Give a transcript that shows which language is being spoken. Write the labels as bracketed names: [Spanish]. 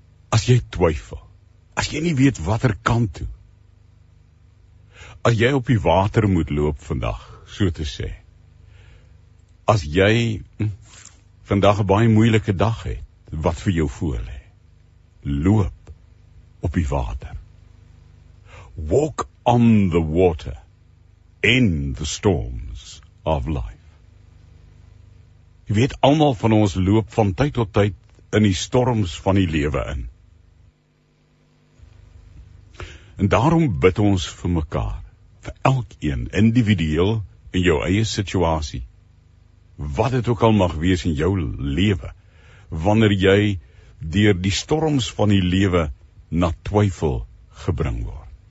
[Afrikaans] As jy twyfel, as jy nie weet watter kant toe, as jy op die water moet loop vandag, so te sê, as jy vandag 'n baie moeilike dag het, wat vir jou voorlê, loop op die water. [English] Walk on the water in the storms of life. [Afrikaans] Jy weet, almal van ons loop van tyd tot tyd in die storms van die lewe in. En daarom bid ons vir mekaar, vir elkeen individueel in jou eie situasie, wat het ook al mag wees in jou lewe, wanneer jy deur die storms van die lewe na twyfel gebring word.